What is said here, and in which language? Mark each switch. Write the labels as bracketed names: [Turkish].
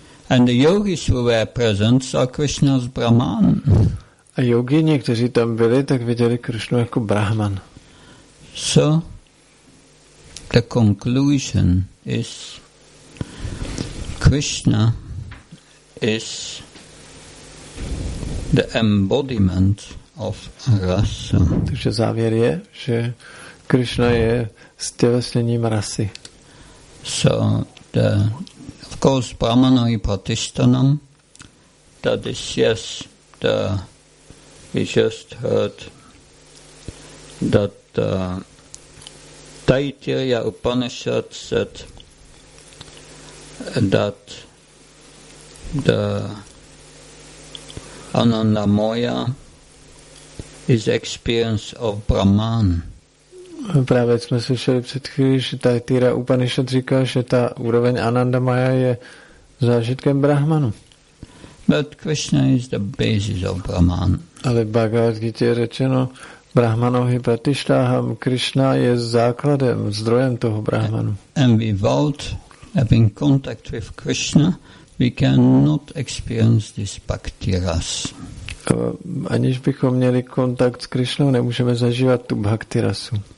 [English] And the yogis who were present saw Krishna as Brahman. [Czech] A jogíni, kteří tam byli, tak viděli Krishnu jako Brahman. [English] So, the conclusion is Krishna is the embodiment of rasa. [Czech] Takže závěr je, že Krishna je stělesněním rasy. [English] So, the, of course, [Sanskrit] Brahmanoi Pratishtanam, [English] that is, yes, the we just heard that Taittiriya Upanishad said that the Ananda Moya is experience of Brahman. [Czech] Právě jsme slyšeli před chvíli, že Taittiriya Upanishad říká, že ta úroveň Ananda Moya je zážitkem Brahmanu. [English] But Krishna is the basis of Brahman. [Czech] Ale Bhagavad Gita je řečeno [Sanskrit] Brahmanohi Pratishtaham, [Czech] Krishna je základem, zdrojem toho Brahmanu. [English] And without having contact with Krishna, we cannot experience this Bhakti Rasa. [Czech] Aniž bychom měli kontakt s Krishnou, nemůžeme zažívat tu Bhakti Rasu.